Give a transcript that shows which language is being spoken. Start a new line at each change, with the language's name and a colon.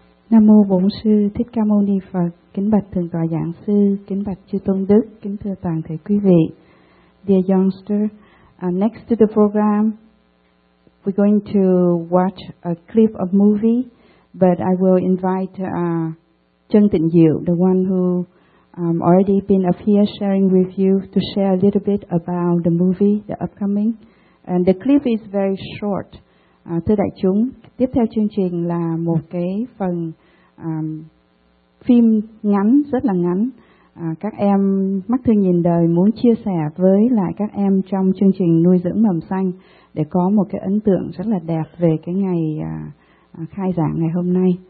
Vietnamese: Nam Mô Bổn Sư Thích Ca Mâu Ni Phật. Kính Bạch Thượng Tọa Giảng Sư, Kính Bạch Chư Tôn Đức, Kính Thưa Toàn Thể Quý Vị.
English: Dear youngster, next to the program, we're going to watch a clip of movie, but I will invite Trân Tịnh Diệu, the one who already been up here sharing with you, to share a little bit about the movie, the upcoming. And the clip is very short.
Vietnamese: Thưa đại chúng, tiếp theo chương trình là một cái phần phim ngắn, rất là ngắn. Các em mắt thương nhìn đời muốn chia sẻ với lại các em trong chương trình Nuôi Dưỡng Mầm Xanh để có một cái ấn tượng rất là đẹp về cái ngày khai giảng ngày hôm nay.